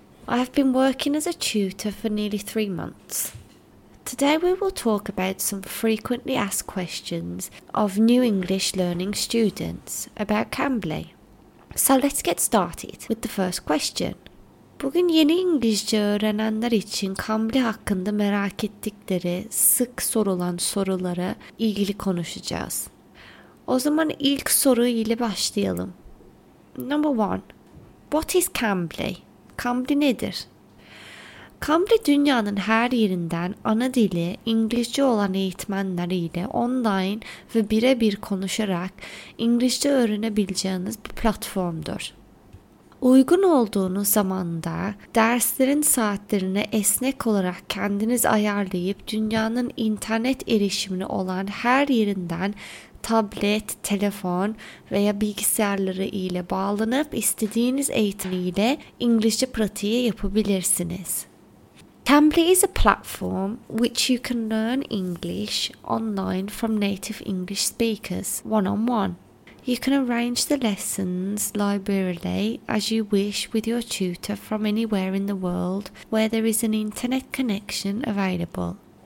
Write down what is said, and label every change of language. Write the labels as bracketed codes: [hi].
[en] I have been working as a tutor for nearly 3 months. Today we will talk about some frequently asked questions of new English learning students about Cambly. So let's get started with the first question. [tr] Bugün yeni İngilizce öğrenenler için Cambly hakkında merak ettikleri sık sorulan sorulara ilgili konuşacağız. O zaman ilk soru ile başlayalım. [en] Number 1. What is Cambly? [tr] Cambly nedir? Cambly dünyanın her yerinden ana dili İngilizce olan eğitmenler ile online ve birebir konuşarak İngilizce öğrenebileceğiniz bir platformdur. Uygun olduğunuz zamanda derslerin saatlerine esnek olarak kendiniz ayarlayıp dünyanın internet erişimini olan her yerinden tablet, telefon veya bilgisayarları ile bağlanıp istediğiniz eğitimiyle İngilizce pratiği yapabilirsiniz. [en] Cambly is a platform which you can learn English online from native English speakers one-on-one. You can arrange the lessons liberally as you wish with your tutor from anywhere in the world where there is an internet connection available.